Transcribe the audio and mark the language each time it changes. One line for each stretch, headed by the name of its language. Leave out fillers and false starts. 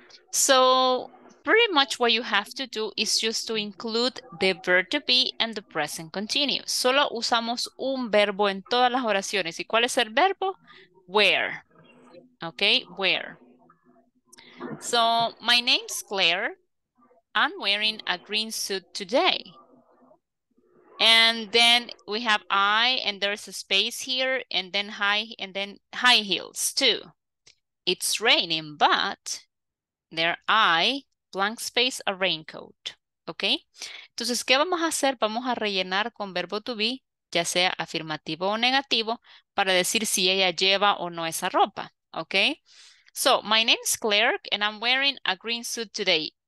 English: So, pretty much what you have to do is just to include the verb to be and the present continuous.
Spanish: Solo usamos un verbo en todas las oraciones. ¿Y cuál es el verbo?
English: Wear. Okay, wear. So, my name's Claire. I'm wearing a green suit today. And then we have I, and there's a space here, and then high, and then high heels too. It's raining, but... There I, blank space, a raincoat. ¿Ok?
Spanish: Entonces, ¿qué vamos a hacer? Vamos a rellenar con verbo to be, ya sea afirmativo o negativo, para decir si ella lleva o no esa ropa. ¿Ok?
English: So, my name is Clark and I'm wearing a green suit today.